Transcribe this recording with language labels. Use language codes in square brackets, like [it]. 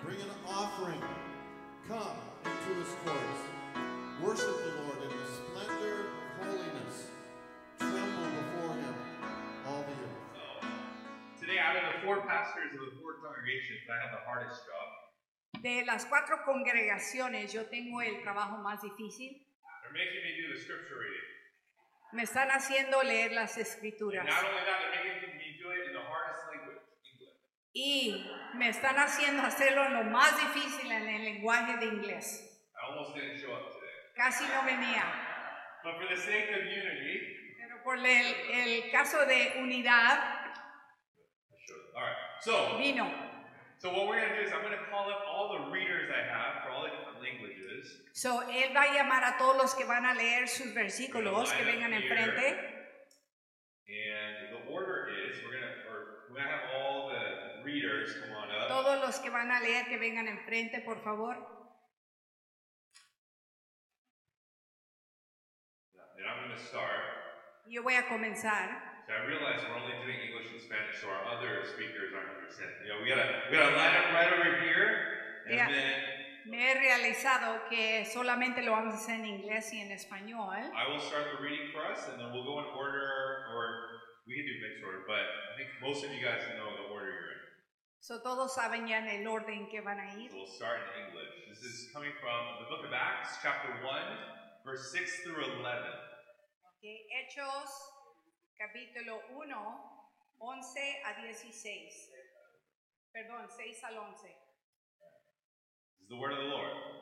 [en] Bring an offering. Come into his courts. Worship the Lord in his splendor and holiness. Tremble before him, all the earth. So, today, out of the four pastors of the four congregations, I have the hardest job. [es] De las cuatro congregaciones, yo tengo el trabajo más difícil. [en] They're making me do the scripture reading. [es] Me están haciendo leer las escrituras. [en] And not only that, they're making me do it in the hardest language, English. [es] Y me están haciendo hacerlo lo más difícil en el lenguaje de inglés. [en] I almost didn't show up. [es] Casi no venía. [en] But for the sake of unity, [es] pero por el caso de unidad, [en] sure. All right. So, [es] vino. [en] So what we're going to do is I'm going to call up all the readers I have for all the different languages. [es] So él va a llamar a todos los que van a leer sus versículos que vengan enfrente. [en] And the order is we're going to have all the readers come on up. [es] Todos los que van a leer que vengan enfrente, por favor. [en] And I'm going to start. [es] Yo voy a comenzar. [en] So I realize we're only doing English and Spanish, so our other speakers aren't present. You know, we got to line up right over here, and yeah. Then [es] me he realizado que solamente lo vamos a hacer en inglés y en español. [en] I will start the reading for us, and then we'll go in order, or we can do mixed order, but I think most of you guys know the order you're in. [es] So todos saben ya en el orden que van a ir. [en] So we'll start in English. This is coming from the book of Acts, chapter 1, verse 6 through 11. [es] Okay, Hechos, capítulo 1, 11 a 16. Perdón, 6 al 11. [en] This is the word of the Lord.